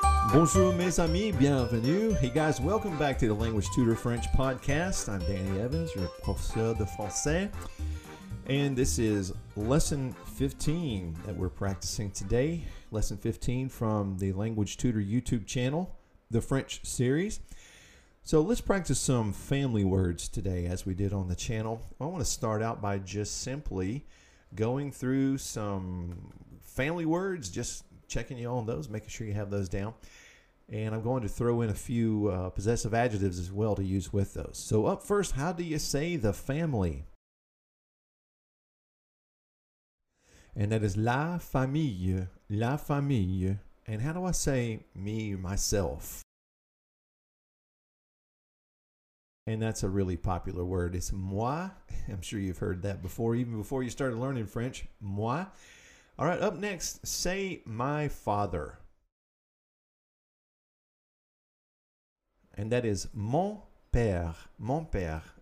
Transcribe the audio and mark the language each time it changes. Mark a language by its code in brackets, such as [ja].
[fr] Bonjour mes amis, bienvenue. [en] Hey guys, welcome back to the Language Tutor French Podcast. I'm Danny Evans, your [fr] professeur de français. [en] And this is lesson 15 that we're practicing today. Lesson 15 from the Language Tutor YouTube channel, the French series. So let's practice some family words today as we did on the channel. I want to start out by just simply going through some family words, just checking you on those, making sure you have those down. And I'm going to throw in a few possessive adjectives as well to use with those. So up first, how do you say the family? And that is la famille, la famille. And how do I say me, myself? And that's a really popular word. It's moi. I'm sure you've heard that before, even before you started learning French, moi. All right, up next, say my father. And that is mon père, mon père.